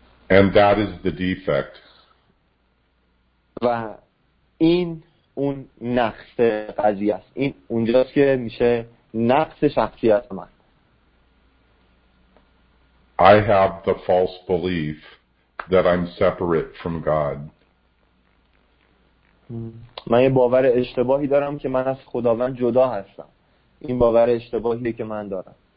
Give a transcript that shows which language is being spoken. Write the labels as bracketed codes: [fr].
[en] And that is the defect. [fa] و این اون نقص قضیه است. این اونجاست که میشه نقص شخصیت من. [en] I have the false belief that I'm separate from God. [fa] من یه باور اشتباهی دارم که من از خداوند جدا هستم. این باور اشتباهیه که من دارم.